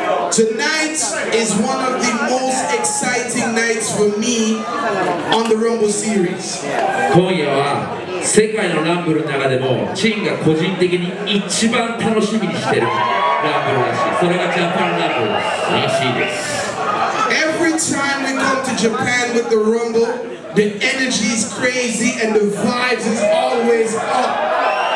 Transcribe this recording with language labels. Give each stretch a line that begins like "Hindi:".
English: Tonight is one of the most exciting nights for me on the Rumble series.
Japanese: 今夜は世界のランブルの中でもチンが個人的に一番楽しみにしてるランブルらしい。それがジャパンランブルらしいです。
English: Every time we come to Japan with the Rumble, the energy is crazy and the vibes is always up.